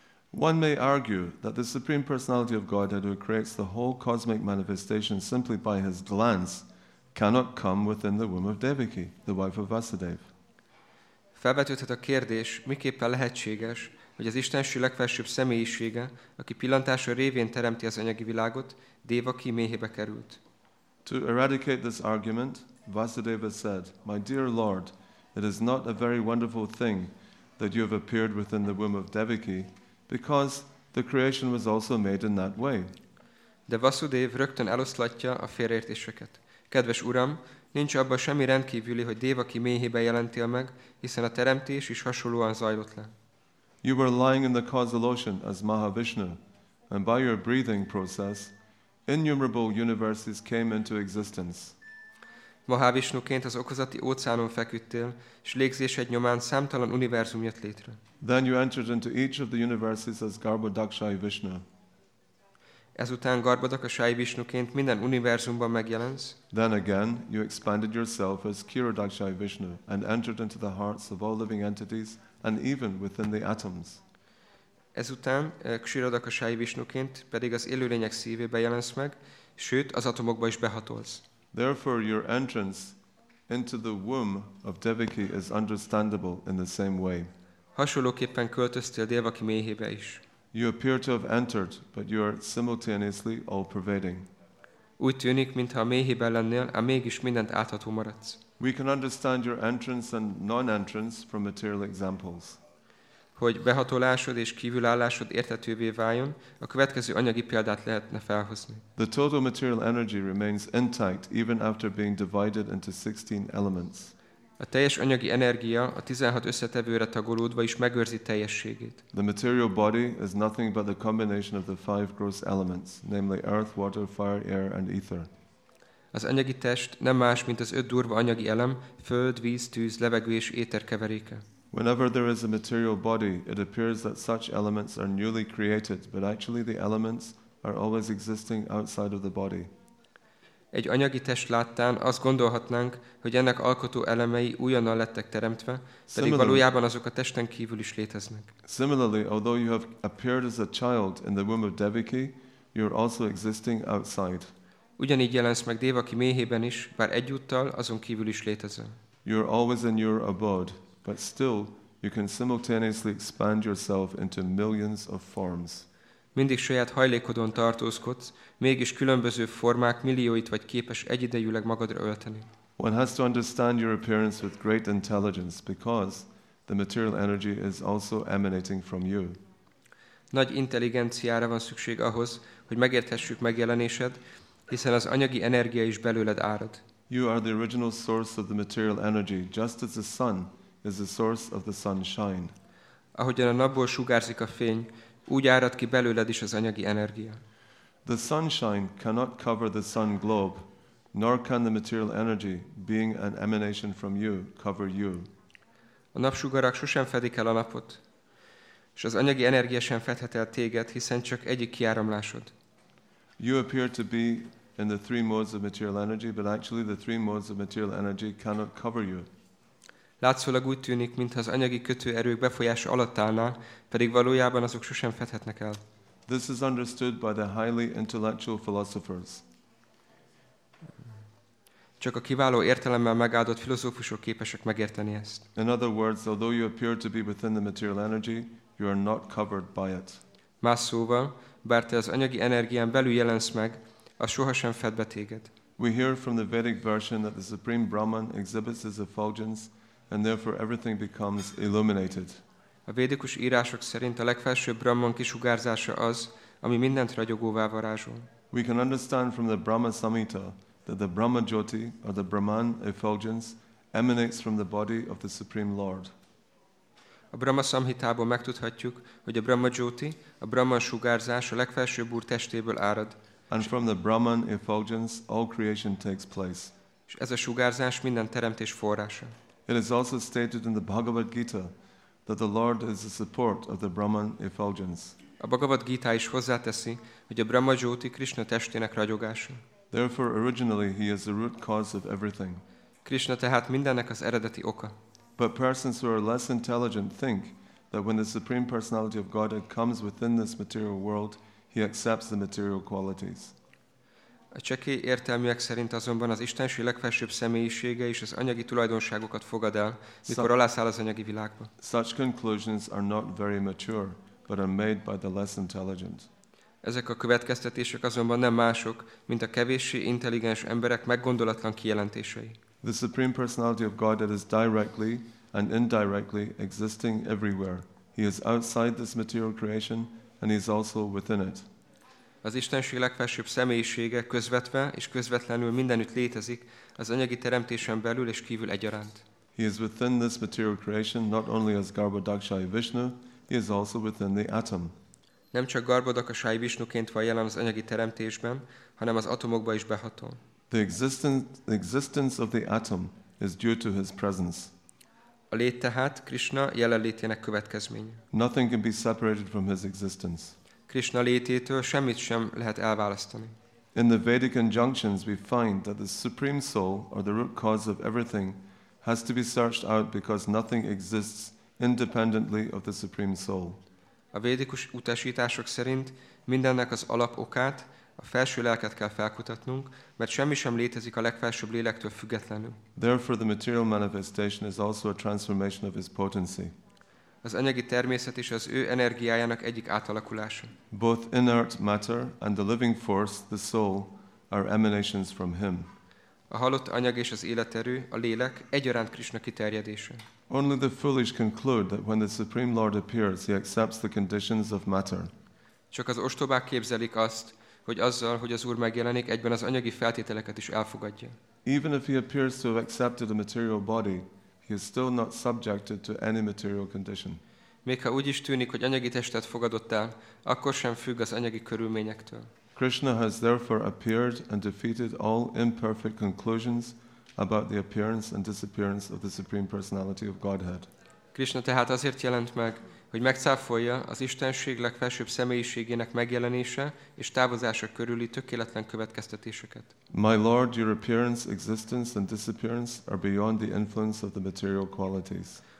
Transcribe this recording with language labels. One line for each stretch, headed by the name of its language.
English: One may argue that the Supreme Personality of Godhead, who creates the whole cosmic manifestation simply by his glance, cannot come within the womb of Devaki, the wife of Vasudev.
Hungarian: Felvetődhet a kérdés, miképpen lehetséges, hogy az Istenség legfelsőbb személyisége, aki pillantása révén teremti az anyagi világot, Devaki méhébe került.
English: To eradicate this argument, Vasudeva said, my dear Lord, it is not a very wonderful thing that you have appeared within the womb of Devaki, because the creation was also made in that way.
Hungarian: De Vasudev rögtön eloszlatja a félreértéseket. Kedves Uram, nincs abban semmi rendkívüli, hogy Devaki méhében jelentél meg, hiszen a teremtés is hasonlóan zajlott le.
English: You were lying in the causal ocean as Mahavishnu, and by your breathing process, innumerable universes came into existence.
Hungarian: Mahavishnuként az okozati óceánon feküdtél, és légzésed nyomán számtalan univerzum jött létre.
English: Then you entered into each of the universes as Garbhodakshayi Vishnu.
Hungarian: Ezután Garbhodakshayi Vishnuként minden univerzumban megjelensz.
English: Then again you expanded yourself as Kshirodakshayi Vishnu and entered into the hearts of all living entities and even within the atoms.
Hungarian: Ezután Kshiradakasai Vishnuként pedig az élőlények szívébe jelensz meg, sőt, az atomokba is behatolsz.
English: Therefore your entrance into the womb of Devaki is understandable in the same way.
Hungarian: Hasonlóképpen költöztél Devaki méhébe is.
English: You appear to have entered, but you are simultaneously all-pervading.
Hungarian: Úgy tűnik, mintha a méhében lennél, a mégis mindent átható maradsz.
English: We can understand your entrance and non-entrance from material examples.
Hungarian: Hogy behatolásod és kívülállásod érthetővé váljon, a következő anyagi példát lehetne felhozni.
English: The total material energy remains intact even after being divided into 16 elements.
Hungarian: A teljes anyagi energia a 16 összetevőre tagolódva is megőrzi teljességét.
English: The material body is nothing but the combination of the five gross elements, namely earth, water, fire, air and ether.
Hungarian: Az anyagi test nem más, mint az öt durva anyagi elem, föld, víz, tűz, levegő és éter keveréke.
English: Whenever there is a material body, it appears that such elements are newly created, but actually the elements are always existing outside of the body.
Hungarian: Egy anyagi test láttán azt gondolhatnánk, hogy ennek alkotó elemei újonnan lettek teremtve, pedig valójában azok a testen kívül is léteznek.
English: Similarly, although you have appeared as a child in the womb of Devaki, you are also existing outside.
Hungarian: Ugyanígy jelensz meg Devaki méhében is, bár egyúttal azon kívül is létezel.
English: You are always in your abode, but still you can simultaneously expand yourself into millions of forms.
Hungarian: Mindig saját hajlékodon tartózkodsz, mégis különböző formák millióit vagy képes egyidejűleg magadra ölteni.
English: One has to understand your appearance with great intelligence because the material energy is also emanating from you.
Hungarian: Nagy intelligenciára van szükség ahhoz, hogy megérthessük megjelenésed, hiszen az anyagi energia is belőled árad.
English: You are the original source of the material energy, just as the sun is the source of the sunshine.
Hungarian: Ahogyan a napból sugárzik a fény, úgy árad ki belőled is az anyagi energia.
English: The sunshine cannot cover the sun globe, nor can the material energy, being an emanation from you, cover you.
Hungarian: A napsugarak sosem fedik el a napot, és az anyagi energia sem fedhet el téged, hiszen csak egyik kiáramlásod.
English: You appear to be in the three modes of material energy, but actually the three modes of material energy cannot cover you.
Hungarian: Látszólag úgy tűnik, mintha az anyagi kötőerők befolyása alatt állnál, pedig valójában azok sosem fedhetnek el.
English: This is understood by the highly intellectual philosophers.
Hungarian: Csak a kiváló értelemmel megáldott filozófusok képesek megérteni ezt.
English: In other words, although you appear to be within the material energy, you are not covered by it.
Hungarian: Más szóval, bár te az anyagi energián belül jelensz meg, az sohasem fed be téged.
English: We hear from the Vedic version that the Supreme Brahman exhibits his effulgence, and therefore everything becomes illuminated.
Hungarian: A védikus írások szerint a legfelsőbb Brahman kisugárzása az, ami mindent ragyogóvá varázsol.
English: We can understand from the Brahma Samhita that the Brahma Jyoti, or the Brahman effulgence, emanates from the body of the Supreme Lord.
Hungarian: A Brahma Samhitából megtudhatjuk, hogy a Brahma Jyoti, a Brahman sugárzás a legfelsőbb úr testéből árad.
English: And from the Brahman effulgence, all creation takes place.
Hungarian: És ez a sugárzás minden teremtés forrása.
English: It is also stated in the Bhagavad Gita that the Lord is the support of the Brahman effulgence.
Hungarian: A Bhagavad Gita is hozzáteszi, hogy a Brahma Jyoti Krishna testének ragyogása.
English: Therefore, originally he is the root cause of everything.
Hungarian: Krishna tehát mindennek az eredeti oka.
English: But persons who are less intelligent think that when the Supreme Personality of Godhead comes within this material world, he accepts the material qualities.
Hungarian: A csekély értelműek szerint azonban az Istenség legfelsőbb személyisége és az anyagi tulajdonságokat fogad el, mikor alászáll az anyagi világba.
English: Such conclusions are not very mature, but are made by the less intelligent.
Hungarian: Ezek a következtetések azonban nem mások, mint a kevéssé intelligens emberek meggondolatlan kijelentései.
English: The Supreme Personality of Godhead is directly and indirectly existing everywhere. He is outside this material creation, and he is also within it.
Hungarian: Az Istenség legfelsőbb személyisége közvetve és közvetlenül mindenütt létezik, az anyagi teremtésen belül és kívül egyaránt.
English: He is within this material creation not only as Garbhodakshayi Vishnu, he is also within the atom.
Hungarian: Nem csak Garbhodakshayi Vishnuként van jelen az anyagi teremtésben, hanem az atomokba is behatol.
English: The existence of the atom is due to his presence.
Hungarian: A lét tehát Krishna jelenlétének következménye.
English: Nothing can be separated from his existence.
Hungarian: Krishna lététől semmit sem lehet elválasztani.
English: In the Vedic injunctions we find that the supreme soul or the root cause of everything has to be searched out because nothing exists independently of the supreme soul.
Hungarian: A védikus utasítások szerint mindennek az alap okát, a felső lelket kell felkutatnunk, mert semmi sem létezik a legfelsőbb lélektől függetlenül.
English: Therefore the material manifestation is also a transformation of his potency.
Hungarian: Az anyagi természet is az ő energiájának egyik átalakulása.
English: Both inert matter and the living force, the soul, are emanations from him.
Hungarian: A halott anyag és az életerő, a lélek egyaránt Krishna kiterjedése.
English: Only the foolish conclude that when the Supreme Lord appears, he accepts the conditions of matter.
Hungarian: Csak az ostobák képzelik azt, hogy azzal, hogy az Úr megjelenik, egyben az anyagi feltételeket is elfogadja.
English: Even if he appears to have accepted a material body, he is still not subjected to any material condition.
Hungarian: Még ha úgy is tűnik, hogy anyagi testet fogadott el, akkor sem függ az anyagi körülményektől.
English: Krishna has therefore appeared and defeated all imperfect conclusions about the appearance and disappearance of the Supreme Personality of Godhead.
Hungarian: Krishna tehát azért jelent meg, hogy megcáfolja az Istenség legfelsőbb személyiségének megjelenése és távozása körüli tökéletlen következtetéseket.
English: My Lord, your appearance, existence and disappearance are beyond the influence of the material qualities.